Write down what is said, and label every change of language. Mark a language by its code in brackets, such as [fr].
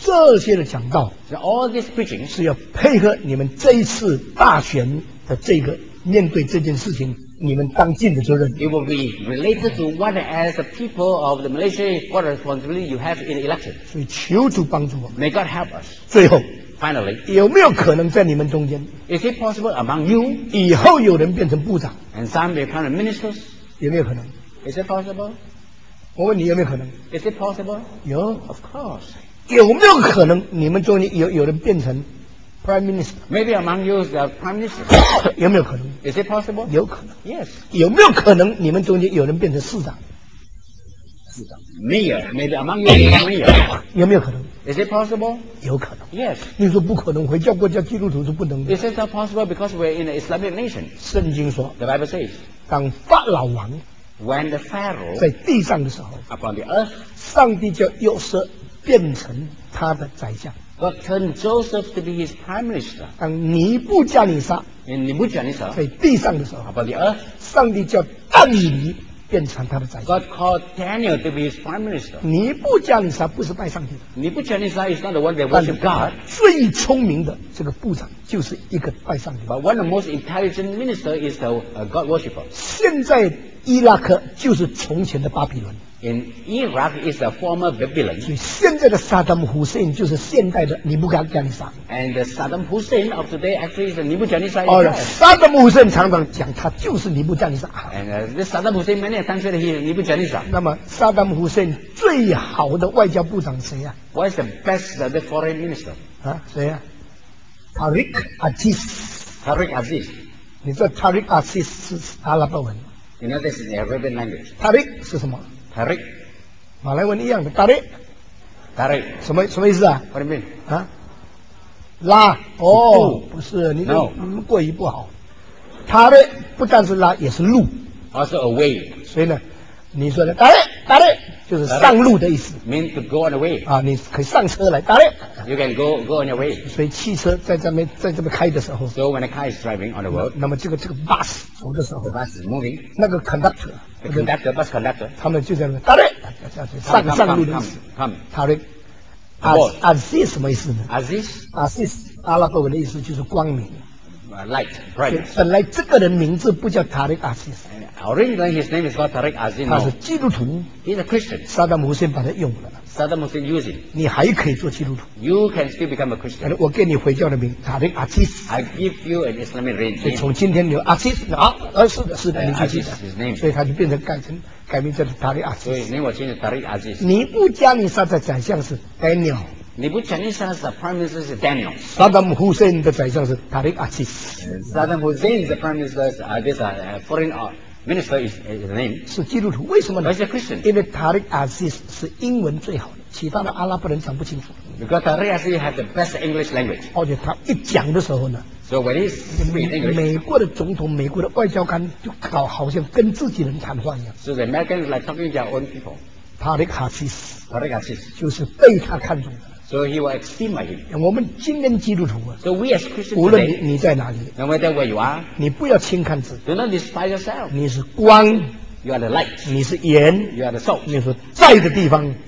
[zh] 这些的讲道， [en] So all these preaching [zh] 是要配合你们这一次大选的这个面对这件事情你们当尽的责任。 [en] It will be related to what as the people of the Malaysia what responsibility you have in the election。 [zh] 所以求主帮助我们。 [en] May God help us。 [zh] 最后。 [en] Finally， [zh] 有没有可能在你们中间 [en] ？Is it possible among you？ [zh] 以后有人变成部长 [en] ，and some become ministers？ [zh] 有没有可能 [en] ？Is it possible？ [zh] 我问你有没有可能 [en] ？Is it possible？ [zh] 有 [en] ，of course。 [zh] 有没有可能你们中间有人变成 prime minister？ [en] Maybe among you the prime minister？ [zh] 有没有可能 [en] ？Is it possible？ [zh] 有可能 [en] ，yes。 [zh] 有没有可能你们中间有人变成市长？ [en] Mayor， maybe among you the mayor。 [zh] 有没有可能？ [en] Is it possible? [zh] 有可能。 [en] Yes. [zh] 你说不可能，回教国家基督徒是不能的。 [en] Is it possible because we're in an Islamic nation? [zh] 圣经说。 [en] The Bible says. [zh] 当法老王。 [en] When the Pharaoh. [zh] 在地上的时候。 [en] Upon the earth. [zh] 上帝叫约瑟变成他的宰相。 [en] God turned Joseph to be his prime minister. [zh] 当尼布加尼撒。 [en] In 尼布加尼撒。 [zh] 在地上的时候。 [en] Upon the earth. [zh] 上帝叫但以理。变成他的宰相。 [en] God called Daniel to be his prime minister. [zh] 尼布加尼撒不是拜上帝的。 [en] 尼布加尼撒 is not the one that worship God. [zh] 最聪明的这个部长就是一个拜上帝。 [en] But one of the most intelligent ministers is the God worshipper. [zh] 现在伊拉克就是从前的巴比伦。 [en] In Iraq is a former Babylon. [zh] 所以现在的萨达姆·胡塞就是现代的尼布甲尼撒。 [en] And Saddam Hussein of today actually is a Nebuchadnezzar. [zh] 哦，萨达姆·胡塞常常讲他就是尼布甲尼撒。 [en] And Saddam Hussein many times said he is Nebuchadnezzar. [zh] 那么萨达姆·胡塞最好的外交部长谁呀、啊、 [en] ？What's the best the foreign minister? [zh] 啊，谁呀、啊、？Tariq Aziz. [en] Tariq Aziz. [zh] 你知道 Tariq Aziz 是阿拉伯文 [en] ？You know this is the Arabic language. [zh] Tariq 是什么？ [en] Tarik， [zh] 马来文一样的 Tarik， 什么意思啊 [en] ？What do you mean？ [zh] 啊，拉哦，不是你的、 [en] no. [zh] 过于不好。 Tarik 不但是拉，也是路。 [en] Also a way。 [zh] 所以呢，你说的 Tarik 就是上路的意思。 [en] Tarik、mean to go on the way。 [zh] 啊，你可以上车来 Tarik。 [en] You can go on your way。 [zh] 所以汽车在这边开的时候。 [en] So when a car is driving on the road， [zh] 那么这个 bus 走的时候 [en] ，the bus is moving， [zh] 那个 conductor。 [en] Conductor, bus conductor. [zh] 他们就在那打嘞，上路的意思。 Aziz 什么意思呢 [en] ？Aziz [zh] 阿拉伯文的意思就是光明。 [en] Light, bright. [zh] 本来这个人名字不叫 Tariq Aziz. [en] Originally, his name is called Tariq Aziz. [zh] 他是基督徒。 [en] He's a Christian. [zh] 萨达姆先把他用了。 [en] Saddam Hussein using. [zh] 你还可以做基督徒。 [en] You can still become a Christian. [zh] 我给你回教的名 Tariq Aziz. [en] I give you an Islamic name. [zh] 所以从今天你 Aziz 啊，是的 [en] Aziz, [zh] 你记得。 [en] His name. [zh] 所以他就改名叫 Tariq Aziz. 所以你我现在 Tariq Aziz。尼布加尼撒的宰相是 Daniel。尼布加尼撒的 Prime Minister 是 Daniel。萨达姆·胡塞的宰相是 Tariq Aziz。 [en] Saddam Hussein's Prime Minister is this a foreign Minister is his name. [zh] 是基督徒，为什么呢 [en] ？He's a Christian. [zh] 因为 Tariq Aziz 是英文最好的，其他的阿拉伯人讲不清楚。 [en] Because Tariq Aziz has the best English language. [zh] 而且他一讲的时候呢 [en] ，So when he speaks English, [zh] 美国的总统、美国的外交官就搞好像跟自己人谈话一样。 [en] So the Americans like talking to their own people. [zh] Tariq Aziz 就是被他看中的。 [en] So he will esteem him. [zh] 我们今天基督徒啊 [en] ，So we as Christians, [zh] 无论你在哪里 [en] ，No matter where you are, [zh] 你不要轻看自己 [en] ，Do not despise yourself. [zh] 你是光 [en] ，You are the light. [zh] 你是盐 [en] ，You are the salt. [zh] 你是在的地方